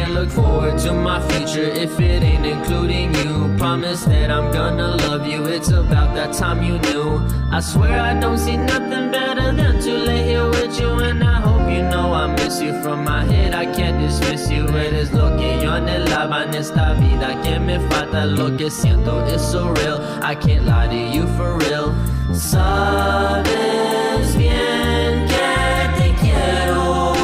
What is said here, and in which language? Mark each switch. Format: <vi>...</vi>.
<en>Forward to my future if it ain't including you. Promise that I'm gonna love you. It's about that time you knew. I swear I don't see nothing better than to lay here with you. And I hope you know I miss you. From my head I can't dismiss you.</en> <es>Eres lo que yo anhelaba en esta vida que me falta. Lo que siento es</es> <en>so real. I can't lie to you for real.</en> <es>Sabes bien que te quiero.</es>